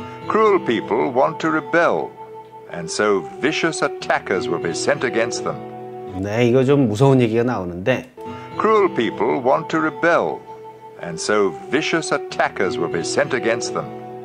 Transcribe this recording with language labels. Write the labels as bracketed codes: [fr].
[en] Cruel people want to rebel, and so vicious attackers will be sent against them. [ko] 네, 이거 좀 무서운 얘기가 나오는데. [en] Cruel people want to rebel. And so vicious attackers will be sent against them.